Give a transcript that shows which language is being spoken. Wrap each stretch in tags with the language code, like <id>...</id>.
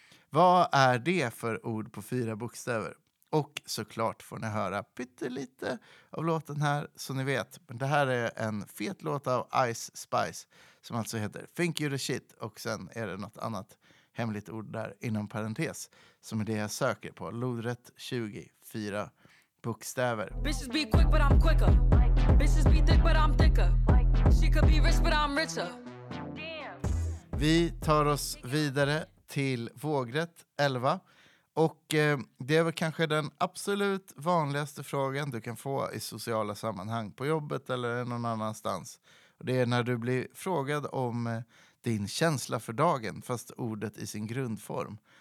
<sv>Vad är det för ord på fyra bokstäver? Och såklart får ni höra pyttelite av låten här, så ni vet. Men det här är en fet låt av Ice Spice som alltså heter Think You're the Shit. Och sen är det något annat hemligt ord där inom parentes som är det jag söker på. Lodrätt 24 bokstäver.</sv> <en>Bitches be quick but I'm quicker. Bitches be thick but I'm thicker. She could be rich but I'm richer.</en> <sv>Vi tar oss vidare till vågrätt 11. Och det är väl kanske den absolut vanligaste frågan du kan få i sociala sammanhang, på jobbet eller någon annanstans. Och det är när du blir frågad om din känsla för dagen, fast ordet i sin grundform.</sv>